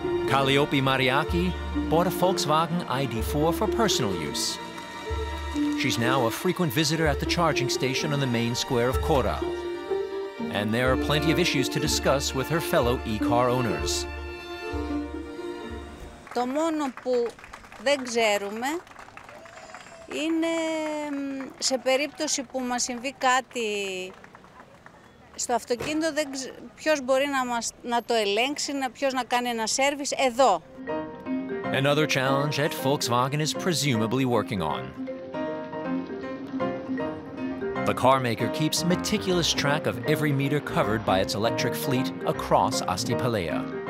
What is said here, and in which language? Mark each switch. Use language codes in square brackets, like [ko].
[en] Kaliopi Mariaki bought a Volkswagen ID4 for personal use. She's now a frequent visitor at the charging station on the main square of Kora. And there are plenty of issues to discuss with her fellow e-car owners. [el] Το μόνο που δεν ξέρουμε είναι σε περίπτωση που μας συμβεί κάτι στο αυτοκίνητο, ποιος μπορεί να το ελέγξει, ποιος να κάνει ένα σέρβις εδώ. [en] Another challenge that Volkswagen is presumably working on. The car maker keeps meticulous track of every meter covered by its electric fleet across Astypalea.